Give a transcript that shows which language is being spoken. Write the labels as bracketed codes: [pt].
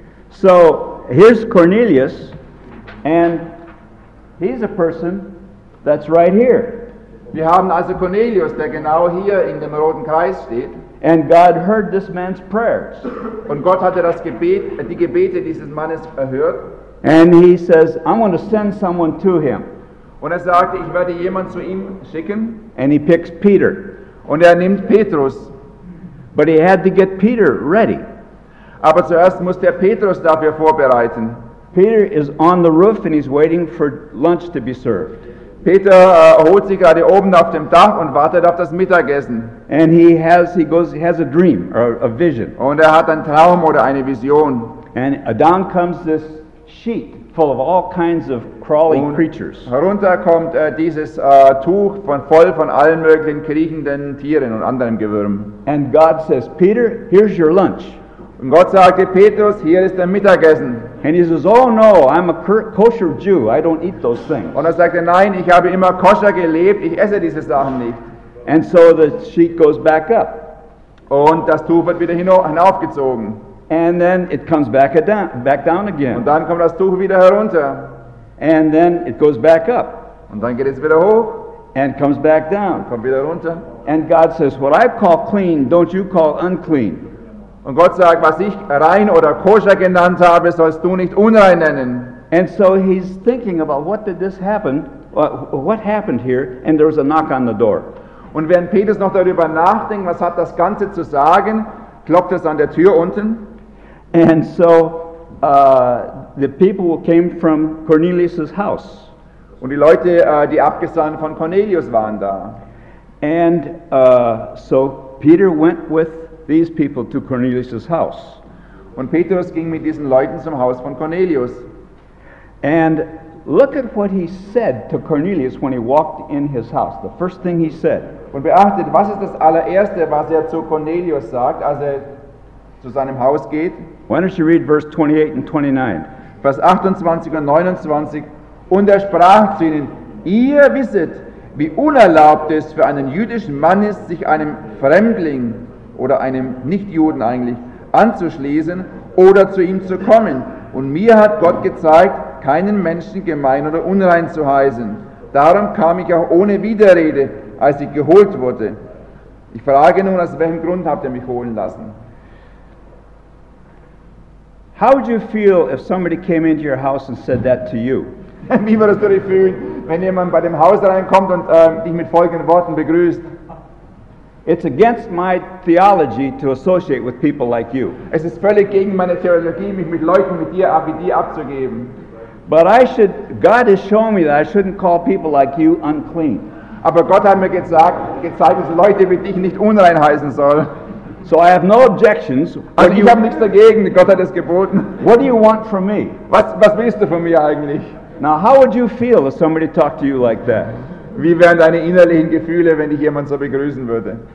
[en] So here's Cornelius, and he's a person that's right here. [de] Wir haben also Cornelius, der genau hier in dem roten Kreis steht. [en] And God heard this man's prayers. [de] Und Gott hatte das Gebet, die Gebete dieses Mannes erhört. [en] And he says, I'm going to send someone to him. [de] Und sagte, ich werde jemanden zu ihm schicken. [en] And he picks Peter. [de] Und nimmt Petrus. [en] But he had to get Peter ready. [de] Aber zuerst musste Petrus dafür vorbereiten. [en] Peter is on the roof and he's waiting for lunch to be served. [de] Peter holt sich gerade oben auf dem Dach und wartet auf das Mittagessen. [en] And he has a dream or a vision. [de] Und hat einen Traum oder eine Vision. [en] And down comes this sheet full of all kinds of crawling [de] und [en] creatures. [de] Herunter kommt dieses Tuch voll von allen möglichen kriechenden Tieren und anderem Gewürm. [en] And God says, Peter, here's your lunch. [de] Und Gott sagte, Petrus, hier ist dein Mittagessen. [en] And he says, oh no, I'm a kosher Jew. I don't eat those things. [de] Und sagte, nein, ich habe immer koscher gelebt. Ich esse diese Sachen nicht. [en] And so the sheet goes back up. [de] Und das Tuch wird wieder hinaufgezogen. [en] And then it comes back down again. [de] Und dann kommt das Tuch wieder herunter. [en] And then it goes back up. [de] Und dann geht es wieder hoch. [en] And comes back down. [de] Kommt wieder runter. [en] And God says, what I call clean, don't you call unclean. [de] Und Gott sagt, was ich rein oder koscher genannt habe, sollst du nicht unrein nennen. [en] And so he's thinking about what did this happen, what happened here, and there was a knock on the door. [de] Und während Petrus noch darüber nachdenkt, was hat das Ganze zu sagen, klopft es an der Tür unten. [en] And so the people came from Cornelius' house. [de] Und die Leute, die abgesandt von Cornelius waren da. [en] And so Peter went with these people to Cornelius' house. [de] Und Petrus ging mit diesen Leuten zum Haus von Cornelius. [en] And look at what he said to Cornelius when he walked in his house. The first thing he said. [de] Und beachtet, was ist das allererste, was zu Cornelius sagt, als zu seinem Haus geht? [en] Why don't you read verse 28 and 29? [de] Vers 28 und 29. Und sprach zu ihnen, ihr wisset, wie unerlaubt es für einen jüdischen Mann ist, sich einem Fremdling oder einem Nichtjuden eigentlich anzuschließen oder zu ihm zu kommen. Und mir hat Gott gezeigt, keinen Menschen gemein oder unrein zu heißen. Darum kam ich auch ohne Widerrede, als ich geholt wurde. Ich frage nun, aus welchem Grund habt ihr mich holen lassen? [en] How would you feel if somebody came into your house and said that to you? [de] Wie würdest du dich fühlen, wenn jemand bei dem Haus reinkommt und dich mit folgenden Worten begrüßt? [en] It's against my theology to associate with people like you. [de] Es ist völlig gegen meine Theologie, mich mit Leuten wie dir abzugeben. [en] But God has shown me that I shouldn't call people like you unclean. [de] Aber Gott hat mir gezeigt, dass Leute wie dich nicht unrein heißen soll. [en] So I have no objections. [de] Also ich habe nichts dagegen. Gott hat es geboten. [en] What do you want from me? [de] Was willst du von mir eigentlich? [en] Now, how would you feel if somebody talked to you like that? [de] Wie wären deine innerlichen Gefühle, wenn dich jemand so begrüßen würde?